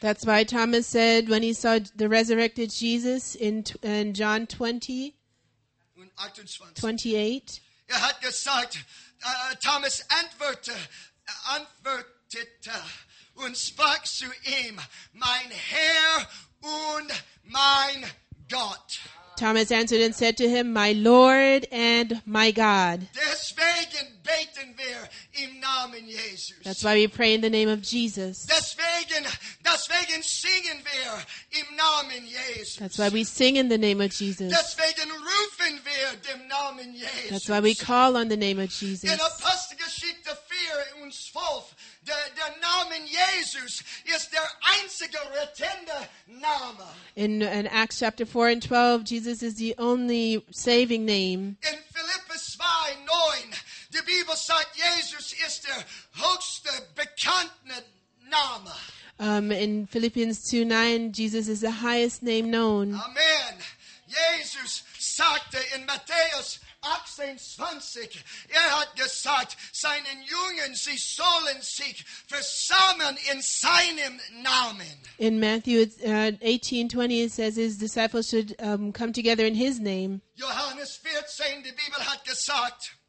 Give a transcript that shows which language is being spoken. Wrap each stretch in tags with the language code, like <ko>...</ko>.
<en>That's why Thomas said when he saw the resurrected Jesus in John 20, 28.</en> <de>Er hat gesagt, Thomas antwortete, antwortete und sprach zu ihm, mein Herr und mein Gott.</de> <en>Thomas answered and said to him, my Lord and my God.</en> <de>Deswegen beten wir im Namen Jesus.</de> <en>That's why we pray in the name of Jesus.</en> <de>Deswegen singen wir im Namen Jesus.</de> <en>That's why we sing in the name of Jesus.</en> <de>Deswegen rufen wir dem Namen Jesus.</de> <en>That's why we call on the name of Jesus.</en> <de>In Apostelgeschichte 4 und 12, der Namen Jesus ist der einzige rettende Name.</de> <en>In Acts chapter 4 and 12, Jesus is the only saving name. In Philippians 2, 9, the Bible says Jesus is the</en> <de>höchste bekannte Name.</de> <en>In Philippians 2, 9, Jesus is the highest name known. Amen.</en> <de>Jesus sagte in Matthäus 18, 20, hat gesagt, seinen Jungen, sie sollen sich versammeln in seinem Namen.</de> <en>In Matthew 18:20, it says his disciples should come together in his name.</en> <de>Johannes 14,</de> <en>the Bible</en> <de>hat gesagt.</de>